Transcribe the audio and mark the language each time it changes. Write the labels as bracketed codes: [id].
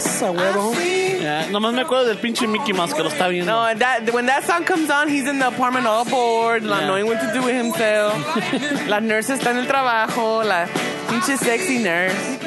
[es] Yeah, nomás me acuerdo del pinche Mickey Mouse que lo está viendo. [en] No, that, when that song comes on, he's in the apartment all bored, not knowing what to do with himself. [es] La nurse está en el trabajo, la pinche sexy nurse.